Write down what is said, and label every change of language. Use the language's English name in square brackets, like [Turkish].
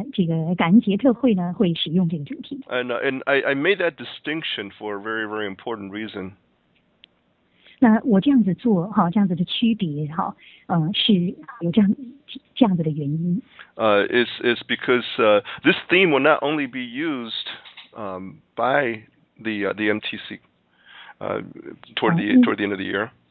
[Chinese] 那这是1500的主题，那这个感恩节特会呢会使用这个主题。 [English] And I made that distinction for a very, very important reason. [Chinese] 那我这样子做，这样子的区别，是有这样子的原因。 [English] It's because this theme will not only be used by the MTC toward the end of the year.